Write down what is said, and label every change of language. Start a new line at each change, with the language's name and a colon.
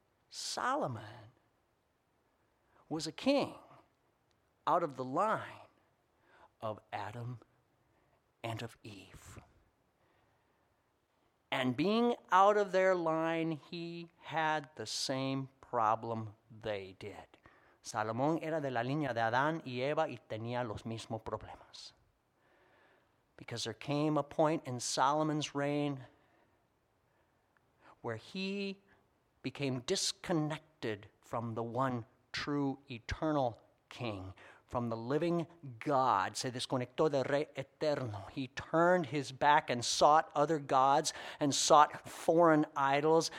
English: Solomon was a king out of the line of Adam and of Eve. And being out of their line, he had the same problem they did.
Spanish: Salomón era de la línea de Adán y Eva y tenía los mismos problemas.
English: Because there came a point in Solomon's reign where he became disconnected from the one true eternal king, from the living God.
Spanish: Se desconectó del rey eterno.
English: He turned his back and sought other gods and sought foreign idols.